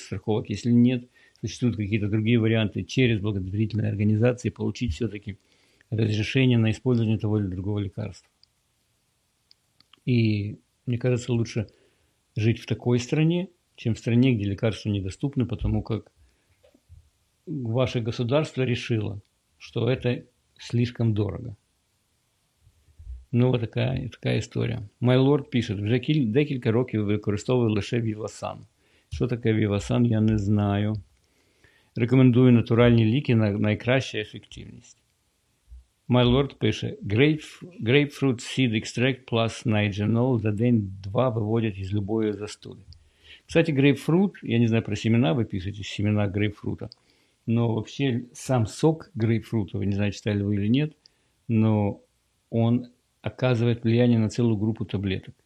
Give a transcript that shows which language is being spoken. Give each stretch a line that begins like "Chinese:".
Russian: Страховок, если нет, существуют какие-то другие варианты через благотворительные организации получить все-таки разрешение на использование того или другого лекарства. И мне кажется, лучше жить в такой стране, чем в стране, где лекарства недоступны, потому как ваше государство решило, что это слишком дорого. Ну, вот такая история.
Ukrainian: Майлорд пишет, вже декілька років використовую лише вівасан. Що таке вівасан, я не знаю. Рекомендую натуральні ліки на найкращу ефективність. Майлорд пише,
English: Grapefruit seed extract plus nigenol
Ukrainian: за день-два виводять із любої застуди.
Russian: Кстати, грейпфрут, я не знаю про семена, ви пишете семена грейпфрута, но вообще сам сок грейпфрута, вы не знаю, читали вы или нет, но он оказывает влияние на целую группу таблеток.